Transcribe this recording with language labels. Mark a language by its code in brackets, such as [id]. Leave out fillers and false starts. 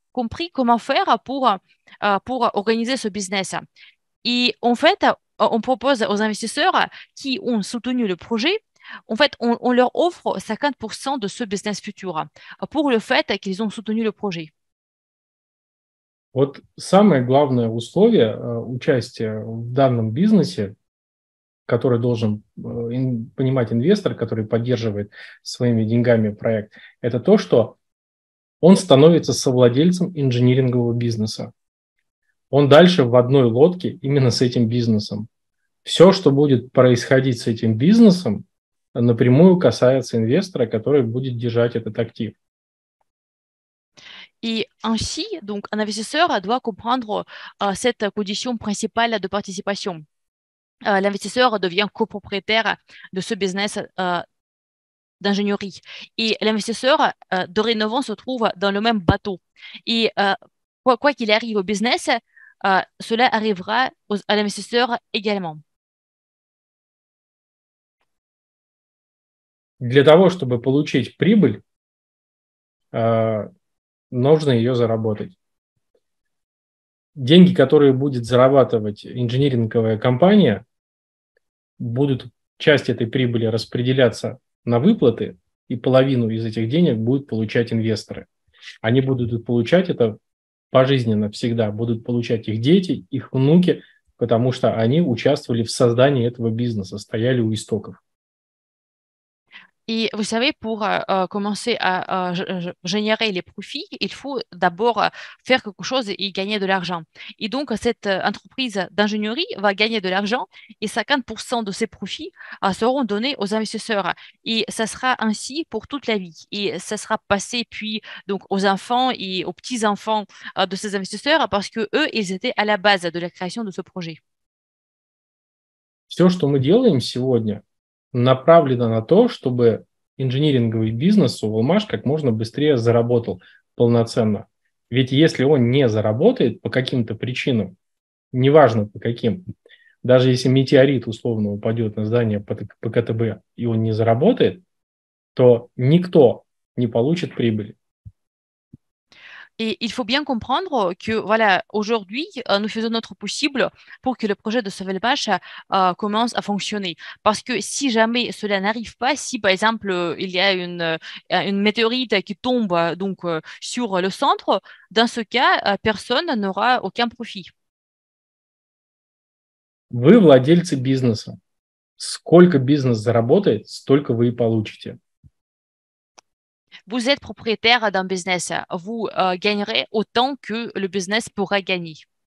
[fr] compris comment faire pour organiser ce business. Et en fait, on propose aux investisseurs qui ont soutenu le projet, en fait, on leur offre 50% de ce business futur pour le fait qu'ils ont soutenu le projet. [ru] Вот самое главное условие участия в данном бизнесе, который должен понимать инвестор, который поддерживает своими деньгами проект, это то, что он становится совладельцем инжинирингового бизнеса. Он дальше в одной лодке именно с этим бизнесом. Все, что будет происходить с этим бизнесом, напрямую касается инвестора, который будет держать этот актив. [fr] Et ainsi, donc, un investisseur doit comprendre cette condition principale de participation. L'investisseur devient copropriétaire de ce business d'ingénierie. Et l'investisseur, dorénavant, se trouve dans le même bateau. Et quoi qu'il arrive au business, cela arrivera à l'investisseur également. [ru] Для того, чтобы получить прибыль, нужно ее заработать. Деньги, которые будет зарабатывать инжиниринговая компания, будут часть этой прибыли распределяться на выплаты, и половину из этих денег будут получать инвесторы. Они будут получать это пожизненно всегда, будут получать их дети, их внуки, потому что они участвовали в создании этого бизнеса, стояли у истоков. [fr] Et vous savez, pour commencer à générer les profits, il faut d'abord faire quelque chose et gagner de l'argent. Et donc, cette entreprise d'ingénierie va gagner de l'argent et 50% de ses profits seront donnés aux investisseurs. Et ça sera ainsi pour toute la vie. Et ça sera passé puis donc, aux enfants et aux petits-enfants de ces investisseurs parce qu'eux, ils étaient à la base de la création de ce projet. [ru] Все, что мы делаем сегодня, направлено на то, чтобы инжиниринговый бизнес у Волмаш как можно быстрее заработал полноценно. Ведь если он не заработает по каким-то причинам, неважно по каким, даже если метеорит условно упадет на здание ПКТБ и он не заработает, то никто не получит прибыли. [fr] Et il faut bien comprendre que voilà, aujourd'hui, nous faisons notre possible pour que le projet de Sauvelmash commence à fonctionner. Parce que si jamais cela n'arrive pas, si par exemple il y a une météorite qui tombe donc, sur le centre, dans ce cas, personne n'aura aucun profit. [ru] Вы владельцы бизнеса. Сколько бизнес заработает, столько вы и получите. [fr] Vous êtes propriétaire d'un business. Vous gagnerez autant que le business pourra gagner.